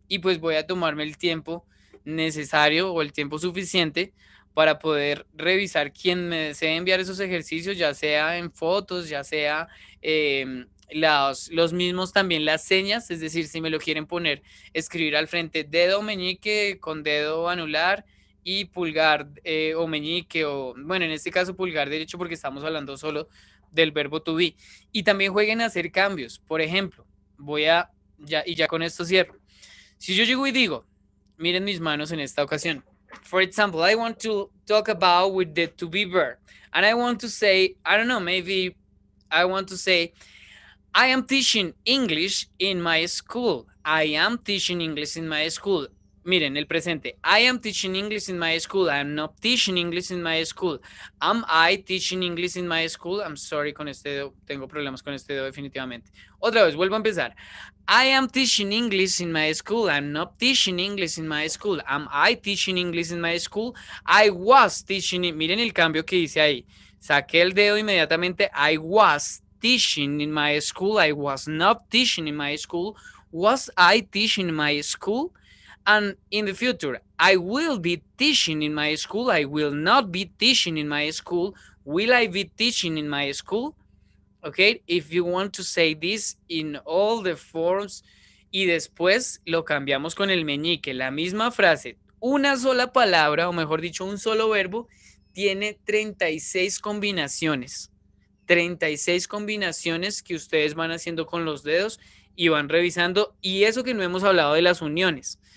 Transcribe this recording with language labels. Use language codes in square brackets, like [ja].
[es] Y pues voy a tomarme el tiempo necesario o el tiempo suficiente para poder revisar quien me desee enviar esos ejercicios, ya sea en fotos, ya sea los mismos también, las señas, es decir, si me lo quieren poner, escribir al frente dedo meñique con dedo anular y pulgar o meñique, o bueno, en este caso pulgar derecho, porque estamos hablando solo del verbo to be. Y también jueguen a hacer cambios. Por ejemplo, voy a, ya, y ya con esto cierro. Si yo llego y digo, miren mis manos en esta ocasión. [en] For example, I want to talk about with the to be verb. And I want to say, I don't know, maybe I want to say, I am teaching English in my school. I am teaching English in my school. [es] Miren, el presente. [en] I am teaching English in my school. I am not teaching English in my school. Am I teaching English in my school? I'm sorry, [es] con este dedo. Tengo problemas con este dedo, definitivamente. Otra vez, vuelvo a empezar. [en] I am teaching English in my school. I'm not teaching English in my school. Am I teaching English in my school? I was teaching... [es] Miren el cambio que hice ahí. Saqué el dedo inmediatamente. [en] I was teaching in my school. I was not teaching in my school. Was I teaching in my school? And in the future, I will be teaching in my school. I will not be teaching in my school. Will I be teaching in my school? Okay, if you want to say this in all the forms, [es] y después lo cambiamos con el meñique, la misma frase, una sola palabra, o mejor dicho, un solo verbo, tiene 36 combinaciones. 36 combinaciones que ustedes van haciendo con los dedos y van revisando, y eso que no hemos hablado de las uniones.